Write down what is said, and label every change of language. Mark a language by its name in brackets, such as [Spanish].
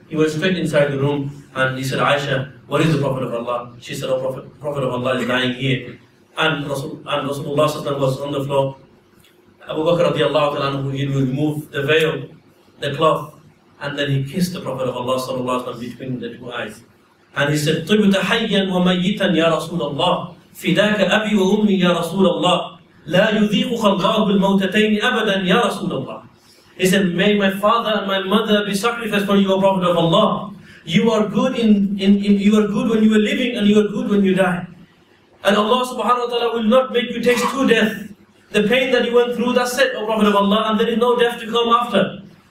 [English] He went straight inside the room and he said, Aisha, where is the Prophet of Allah? She said, oh, Prophet of Allah is lying here. And Rasulullah sallallahu alayhi wa sallam was on the floor. Abu Bakr radiallahu ta'ala anhu, he would remove the veil, the cloth, and then he kissed the Prophet of Allah sallallahu alayhi wa sallam between the two eyes. [Arabic] And he said, طِبْتَ حَيًّا وَمَيِّتًا يَا رَسُولَ اللَّهِ فِدَاكَ أَبِي وَأُمِّي يَا رَسُولَ اللَّهِ لَا يُذِيقُكَ اللَّهُ بِالْمَوْتَتَيْنِ أَبَدًا يَا رَسُولَ اللَّهِ. [English] He said, may my father and my mother be sacrificed for you, O Prophet of Allah. You are good you are good when you are living and you are good when you die. And Allah subhanahu wa ta'ala will not make you taste two deaths. The pain that you went through, that's it, O Prophet of Allah, and there is no death to come after.